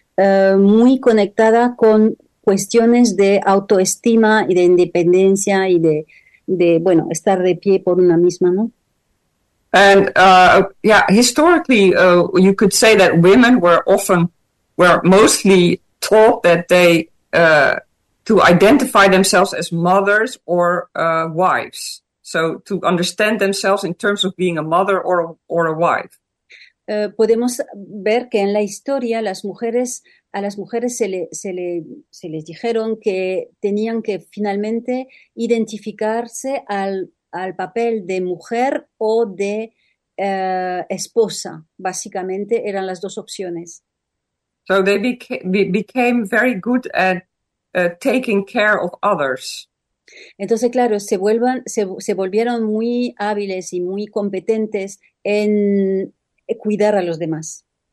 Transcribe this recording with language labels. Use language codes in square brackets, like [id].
[es] muy conectada con cuestiones de autoestima y de independencia y de bueno, estar de pie por una misma, ¿no? [en] And yeah, historically you could say that women were mostly taught that they to identify themselves as mothers or wives. So to understand themselves in terms of being a mother or a wife. [es] Podemos ver que en la historia a las mujeres se les dijeron que tenían que finalmente identificarse al papel de mujer o de esposa. Básicamente eran las dos opciones. [en] So they became very good at taking care of others. [es] Entonces, claro, se volvieron muy hábiles y muy competentes en cuidar a los demás.